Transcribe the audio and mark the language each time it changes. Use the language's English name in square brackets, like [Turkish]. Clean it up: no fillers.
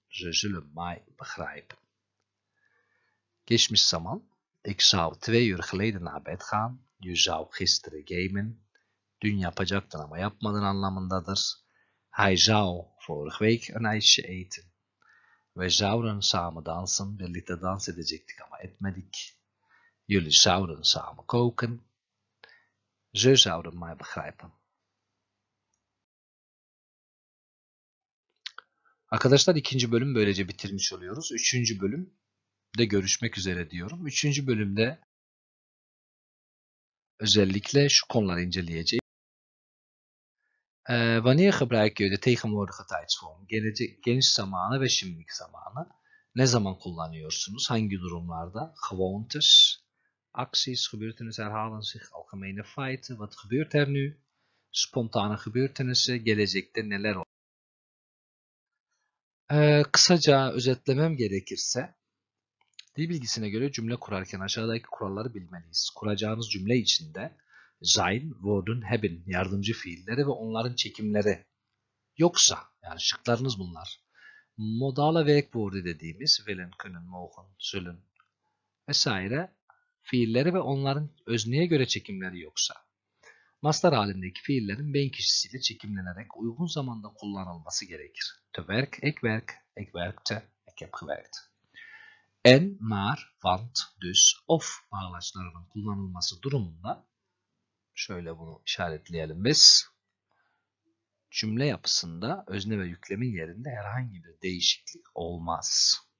[Dutch] Ze zullen mij begrijpen. [Turkish] Geçmiş zaman. [Dutch] Ik zou 2 uur geleden naar bed gaan. Je zou gisteren gamen. [Turkish] Dün yapacaktın ama yapmadın anlamındadır. [Dutch] Hij zou vorige week een ijsje eten. We zouden samen dansen. [Turkish] Birlikte dans edecektik ama etmedik. [Dutch] Jullie zouden samen koken. Ze zouden mij begrijpen. [Turkish] Arkadaşlar ikinci bölüm böylece bitirmiş oluyoruz. Üçüncü bölümde görüşmek üzere diyorum. Üçüncü bölümde özellikle şu konuları inceleyeceğiz. [Dutch] Wanneer gebruik je de tegenwoordige tijdsvorm? [Turkish] Geniş zamanı ve şimdilik zamanı. Ne zaman kullanıyorsunuz? Hangi durumlarda? [Dutch] Gewoontes, acties, gebeurtenissen herhalen zich, algemene feiten, wat gebeurt er nu? Spontane gebeurtenissen, [Turkish] gelecekte neler oluyor? Kısaca özetlemem gerekirse, dil bilgisine göre cümle kurarken aşağıdaki kuralları bilmeliyiz. Kuracağınız cümle içinde sein, worden, haben yardımcı fiilleri ve onların çekimleri yoksa, yani şıklarınız bunlar. Modale werkwoorden wurde dediğimiz willen, kunnen, mogen, zullen vesaire fiilleri ve onların özneye göre çekimleri yoksa. Mastar halindeki fiillerin ben kişisiyle çekimlenerek uygun zamanda kullanılması gerekir. [Dutch] To werk, ek werk, ek werkte, ek heb gewerkt. [Turkish] En, maar, want, dus, of bağlaçlarının kullanılması durumunda şöyle bunu işaretleyelim biz. Cümle yapısında özne ve yüklemin yerinde herhangi bir değişiklik olmaz.